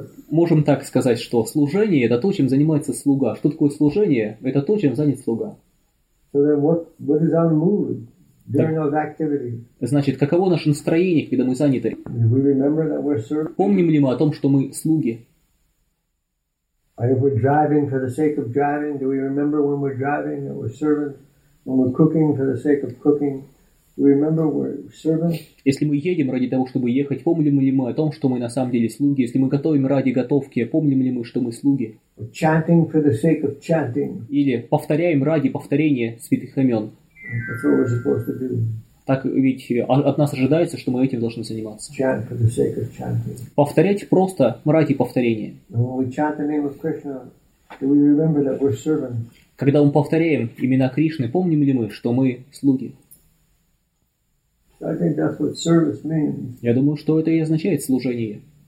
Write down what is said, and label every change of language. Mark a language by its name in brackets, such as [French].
[Russian] Можем так сказать, что служение – это то, чем занимается слуга. Что такое служение? Это то, чем занят слуга. [English] So then what is our mood during those activities? [Russian] Значит, каково наше настроение, когда мы заняты? [English] We remember that we're serving? [Russian] Помним ли мы о том, что мы слуги? [English] And if we're driving for the sake of driving, do we remember when we're driving that we're servants? When we're cooking for the sake of cooking, do we remember we're servants? [Russian] Если мы едем ради того, чтобы ехать, помним ли мы о том, что мы на самом деле слуги? Если мы готовим ради готовки, помним ли мы, что мы слуги? [English] Or chanting for the sake of chanting. [Russian] Или повторяем ради повторения святых имен. [English] That's what we're supposed to do. [Russian] Так ведь от нас ожидается, что мы этим должны заниматься. [English] Chant for the sake of chanting. [Russian] Повторять просто ради повторения. [English] When we chant the name of Krishna, do we remember that we're servants? [Russian] Когда мы повторяем имена Кришны, помним ли мы, что мы слуги? [English] I think that's what service means. [Russian] Я думаю, что это и означает служение.